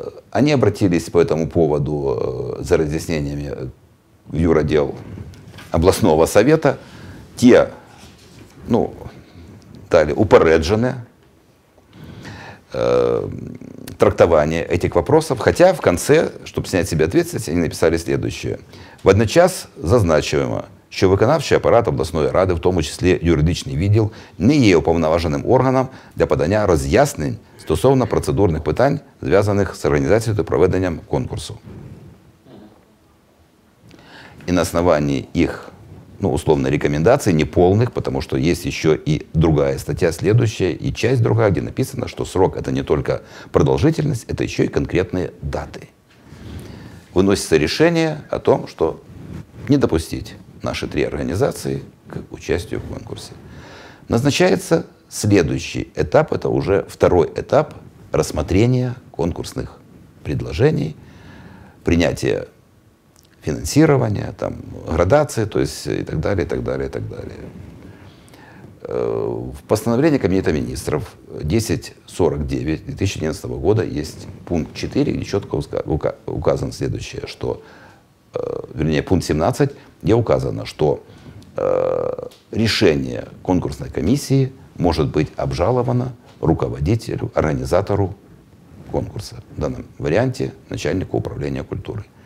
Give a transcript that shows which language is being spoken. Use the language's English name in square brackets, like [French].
[Russian] Они обратились по этому поводу за разъяснениями в юродел областного совета. Те, ну, дали упорядоченное трактование этих вопросов, хотя в конце, чтобы снять себе ответственность, они написали следующее. [Ukrainian] В одночас зазначиваемо, що виконавчий апарат обласної ради, в тому числі юридичний відділ, не є уповноваженим органом для подання роз'яснень стосовно процедурних питань, зв'язаних з організацією та проведенням конкурсу. І на основі їх, ну, условно, рекомендацій, не повних, тому що є ще і друга стаття, слідуюча, і частина друга, де написано, що срок – це не тільки продовжительність, це ще й конкретні дати. Виноситься рішення [Russian] о том, що не допустити наши три организации к участию в конкурсе. Назначается следующий этап, это уже второй этап рассмотрения конкурсных предложений, принятия финансирования, там, градации, то есть и так далее, и так далее, и так далее. В постановлении Комитета министров 1049 2011 года есть пункт 4, где четко указан следующее, что, вернее, пункт 17, где указано, что решение конкурсной комиссии может быть обжаловано руководителю, организатору конкурса, в данном варианте начальнику управления культурой.